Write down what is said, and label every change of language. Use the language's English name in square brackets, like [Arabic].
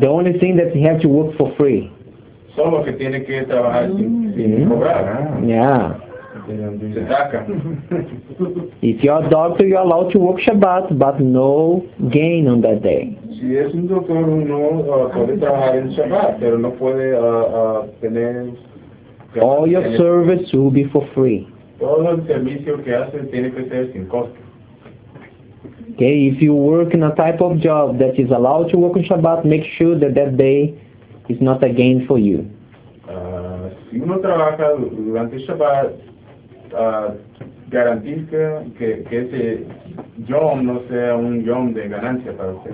[English] The only thing that he has to work for free. [Spanish] Solo que tiene que trabajar sin cobrar. [English] Yeah. If you are a doctor, you are allowed to work Shabbat, but no gain on that day. [Spanish] Si es un doctor, uno puede trabajar en Shabbat, pero no puede tener. [English] All your service will be for free. [Spanish] Todo el servicio que hace tiene que ser sin costo. [English] Okay, if you work in a type of job that is allowed to work on Shabbat, make sure that day is not a gain for you. [Spanish] Si uno trabaja durante Shabbat, garantiza que ese job no sea un job de ganancia para usted.